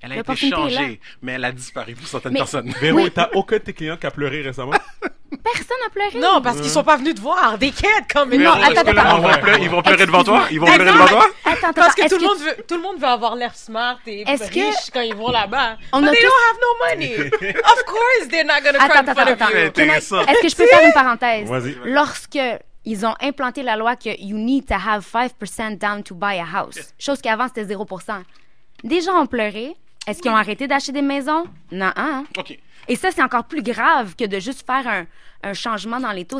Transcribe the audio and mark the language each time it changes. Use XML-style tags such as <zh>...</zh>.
<fr>Elle a été changée, mais elle a disparu pour certaines personnes. Véro, oui. t'as aucun de tes clients qui a pleuré récemment? Personne n'a pleuré. Non, parce qu'ils ne sont pas venus te voir. Des kids, comme. Non, attends. Ils vont pleurer devant toi? Ils vont pleurer devant toi? Attends. Parce que tout le monde veut avoir l'air smart et riche que... quand ils vont là-bas.</fr> <en>On But they tout... don't have no money. Of course, they're not going to cry for you.</en> <fr>Attends. Est-ce que je peux faire une parenthèse? Vas-y. Lorsque ils ont implanté la loi que</fr> <en>you need to have 5% down to buy a house,</en> <fr>chose qu'avant, c'était 0%, des gens ont pleuré. Est-ce qu'ils ont arrêté d'acheter des maisons? Non. OK. Et ça, c'est encore plus grave que de juste faire un changement dans les taux.</fr>